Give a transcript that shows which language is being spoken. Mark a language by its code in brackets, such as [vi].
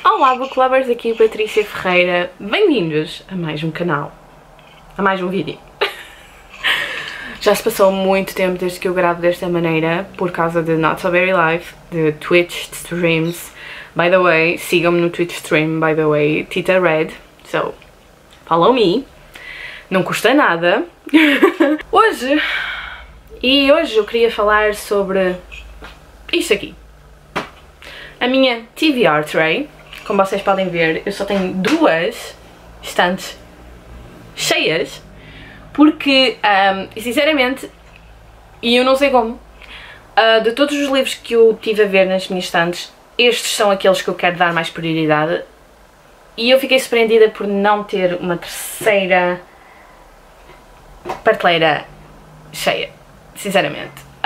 [pt] Olá, Booklovers, aqui é Patrícia Ferreira. Bem-vindos a mais um canal, a mais um vídeo. Já se passou muito tempo desde que eu gravo desta maneira, por causa de Not So Very Life, de Twitch Streams. [en] By the way, [pt] sigam-me no Twitch Stream, by the way, Tita Red. [en] So, follow me. [pt] Não custa nada. Hoje eu queria falar sobre isto aqui. A minha TVR tray, como vocês podem ver, eu só tenho duas estantes cheias, porque, sinceramente, e eu não sei como, de todos os livros que eu tive a ver nas minhas estantes, estes são aqueles que eu quero dar mais prioridade, e eu fiquei surpreendida por não ter uma terceira prateleira cheia, sinceramente.